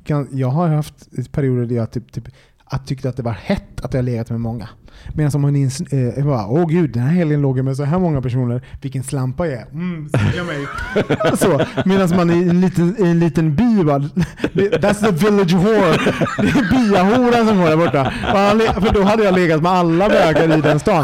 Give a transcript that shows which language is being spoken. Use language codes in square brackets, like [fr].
[sv] Jag har haft perioder där jag att tyckte att det var hett att jag legat med många. Medan som hon bara, åh gud, den här helgen låg jag med så här många personer. Vilken slampa jag är. Ser mig. Så, medan man är i en liten by. [en] That's the village whore. [sv] Det är byahoran som går där borta. För då hade jag legat med alla bögar i den stan.